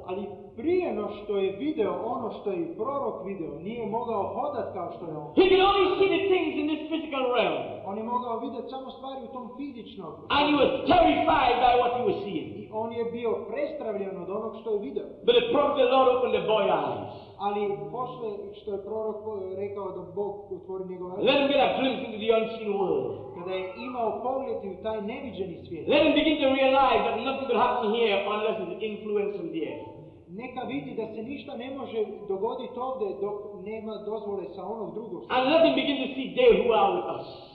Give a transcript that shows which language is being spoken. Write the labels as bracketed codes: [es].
[hr] Ali prije no što je video ono što je prorok video, nije mogao hodati kao što je on. [en] He could only see the things in this physical realm. [hr] On je mogao vidjeti samo stvari u tom fizičnom. [en] And he was terrified by what he was seeing. [hr] I on je bio prestravljen od onog što je video. [en] But the prophet of the Lord opened the boy's eyes. [hr] Ali posle što je prorok rekao da Bog otvori njegove oči. [en] Let him get a glimpse into the unseen world. [hr] Kada je imao pogled u taj neviđeni svijet. [en] Let him begin to realize that nothing will happen here unless it's influence from the air. [hr] Neka vidi da se ništa ne može dogoditi ovdje dok nema dozvole sa onog drugog. [en] And let him begin to see they who are with us.